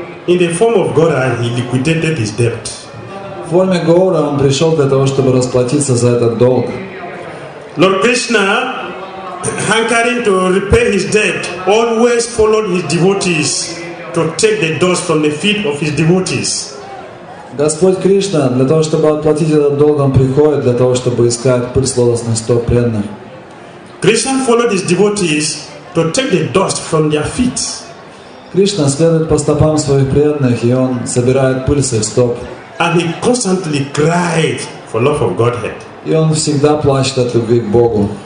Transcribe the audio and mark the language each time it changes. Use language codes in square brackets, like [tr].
[en] In the form of Godhead, he liquidated his debt. [ru] В форме Гора он пришел для того, чтобы расплатиться за этот долг. [en] Lord Krishna, hankering to repay his debt, always followed his devotees to take the dust from the feet of his devotees. [ru] Господь Кришна для того, чтобы отплатить этот долг, он приходит для того, чтобы искать пыль с лотосных стоп преданных. [en] Krishna followed his devotees to take the dust from their feet. [ru] Krishna следует по стопам своих преданных, и он собирает пыль с их стоп. [en] And he constantly cried for love of Godhead. [ru] И он всегда плачет от любви к Богу.